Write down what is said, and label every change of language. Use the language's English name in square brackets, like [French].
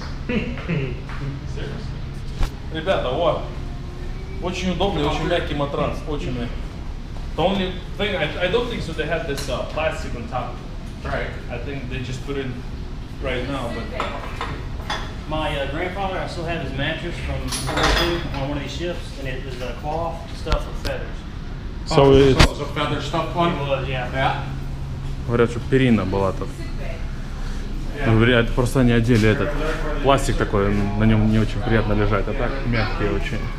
[Russian] Ребята, вот очень удобный, очень мягкий матрас, очень мягкий. [English] The only thing I don't think so they had this plastic on top. Right. I think they just put it right now. But my grandfather, I still have his mattress from World War II on one of these ships, and it was a cloth stuffed with feathers. So oh, it's so it was a feather stuff one? Yeah. [Russian] Говорят, что перина была там. Говорят, просто они одели этот пластик такой, на нем не очень приятно лежать, а так мягкие очень.